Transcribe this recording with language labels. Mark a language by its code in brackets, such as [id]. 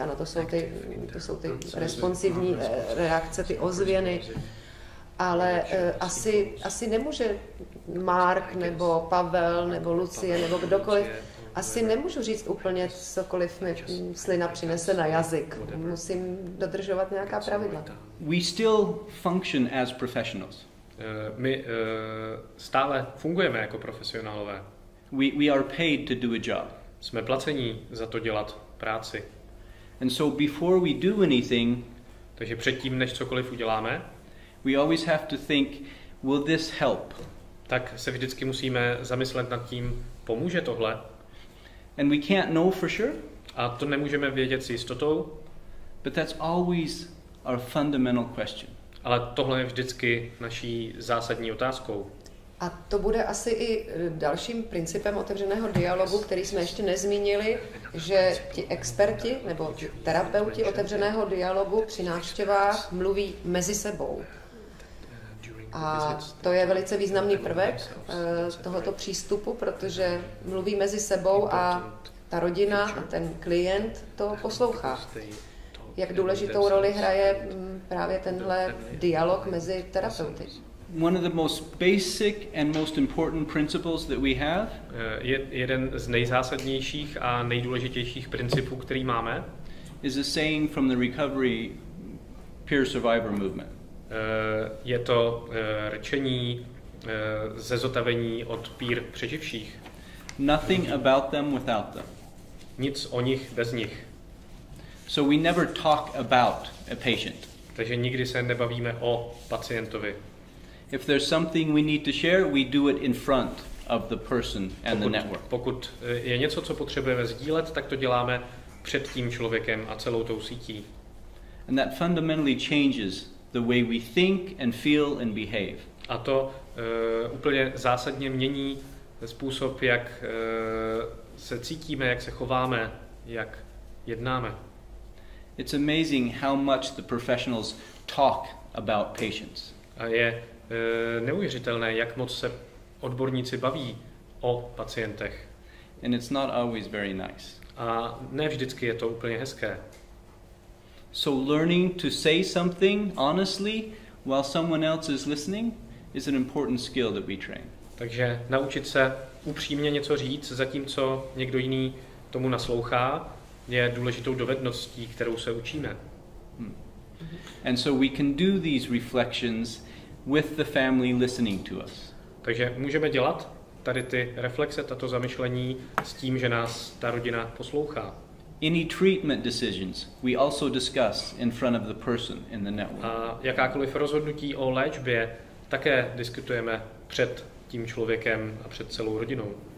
[cs] Ano, to jsou ty responsivní reakce, ty ozvěny. Ale asi nemůže Mark nebo Pavel nebo Lucie nebo kdokoliv, asi nemůžu říct úplně cokoliv mi slina přinese na jazyk. Musím dodržovat nějaká pravidla. [en] We still function as professionals. [cs] My stále fungujeme jako profesionálové. [en] We are paid to do a job. [cs] Jsme placení za to dělat práci. [en] And so before we do anything, [cs] takže předtím než cokoliv uděláme, [en] we always have to think, will this help? [cs] Tak se vždycky musíme zamyslet nad tím, pomůže tohle? [en] And we can't know for sure. [cs] A to nemůžeme vědět s jistotou. [en] But that's always our fundamental question. [cs] Ale tohle je vždycky naší zásadní otázkou. A to bude asi i dalším principem otevřeného dialogu, který jsme ještě nezmínili, že ti experti nebo terapeuti otevřeného dialogu při návštěvách mluví mezi sebou. A to je velice významný prvek tohoto přístupu, protože mluví mezi sebou a ta rodina a ten klient to poslouchá. Jak důležitou roli hraje právě tenhle dialog mezi terapeuty? [en] One of the most basic and most important principles that we have, [cs] jeden z nejzásadnějších a nejdůležitějších principů, který máme, [en] is a saying from the recovery peer survivor movement. [cs] Je to řečení ze zotavení od peer přeživších. [en] Nothing about them without them. [cs] Nic o nich bez nich. [en] So we never talk about a patient. [cs] Takže nikdy se nebavíme o pacientovi. [en] If there's something we need to share, we do it in front of the person and [cs] pokud, [en] the network. [cs] Pokud je něco, co potřebujeme sdílet, tak to děláme před tím člověkem a celou tou sítí. [en] And that fundamentally changes the way we think and feel and behave. [cs] A to úplně zásadně mění způsob, jak se cítíme, jak se chováme, jak jednáme. [en] It's amazing how much the professionals talk about patients. [cs] A je neuvěřitelné, jak moc se odborníci baví o pacientech. [en] And it's not always very nice. [cs] A ne vždycky je to úplně hezké. [en] So learning to say something honestly while someone else is listening is an important skill that we train. [cs] Takže naučit se upřímně něco říct, zatímco někdo jiný tomu naslouchá, je důležitou dovedností, kterou se učíme. [en] And so we can do these reflections with the family listening to us. [cs] Takže můžeme dělat tady ty reflexe, tato zamyšlení s tím, že nás ta rodina poslouchá. [en] Any treatment decisions we also discuss in front of the person in the network. [cs] A jakákoliv rozhodnutí o léčbě také diskutujeme před tím člověkem a před celou rodinou.